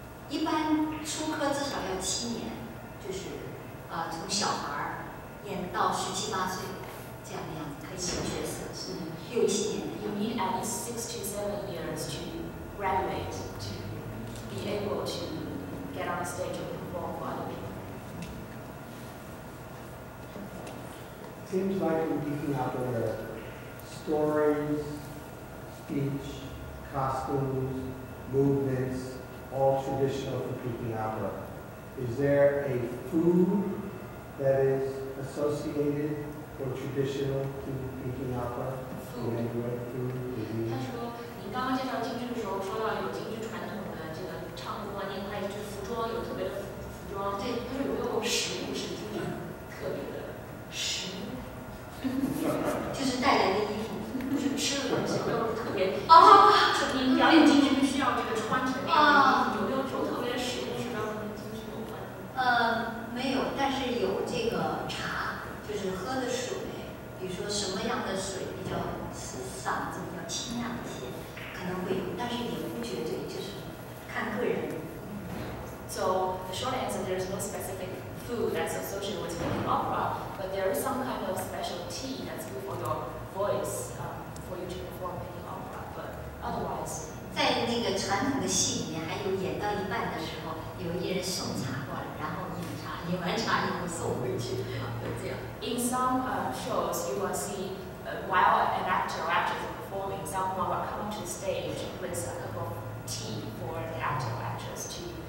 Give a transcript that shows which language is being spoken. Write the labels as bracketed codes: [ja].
[zh] 一般初科至少要七年，就是从小孩演到十七八岁这样的样子，可以演角色是六七年。 [en] You need at least 6 to 7 years to graduate to be able to get on stage and perform for other people. Seems like in Beijing Opera, stories, speech, costumes, movements, all traditional for Beijing Opera. Is there a food that is associated or traditional to Beijing Opera? Food. Can you have food? Mm-hmm. [zh] 他说，你刚刚介绍京剧的时候，说到有京剧传统的这个唱歌、念快，就是服装有特别的服装。对，他说有没有食物是京剧特别的食物？就是带来的衣服，不是吃的东西，有没有特别？哦，就你表演京剧必须要这个穿成那个，有没有什么特别的食物是跟京剧有关的？没有，但是有这个茶，就是喝的水，比如说什么样的水比较嗓子比较清亮一些，可能会有，但是也不绝对，就是看个人。 [en] So the short answer, there is no specific food that's associated with Peking opera, but there is some kind of special tea that's good for your voice, for you to perform Peking opera. But otherwise, [zh] 在那个传统的戏里面，还有演到一半的时候，有一人送茶过来，然后饮茶，饮完茶以后送回去，就这样。 [en] In some shows, you will see while an actor or actress is performing, someone will come to the stage with a cup of tea for the actor or actress to.